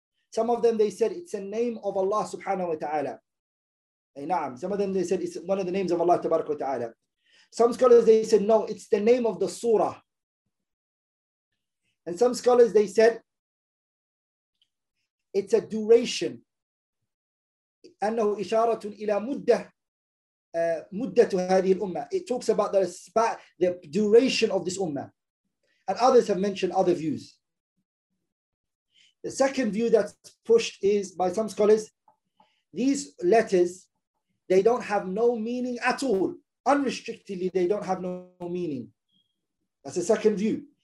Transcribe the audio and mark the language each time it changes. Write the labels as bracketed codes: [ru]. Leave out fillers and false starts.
[en] Some of them, they said, it's a name of Allah subhanahu wa ta'ala. Hey, na'am. Some of them, they said, it's one of the names of Allah tabarak wa ta'ala. Some scholars, they said, no, it's the name of the surah. And some scholars, they said, it's a duration. [ar] أنه إشارة إلى مدة مدة هذه الأمة. [en] It talks about the duration of this ummah. And others have mentioned other views. The second view that's pushed is by some scholars, these letters, they don't have no meaning at all. Unrestrictedly, they don't have no meaning. That's the second view.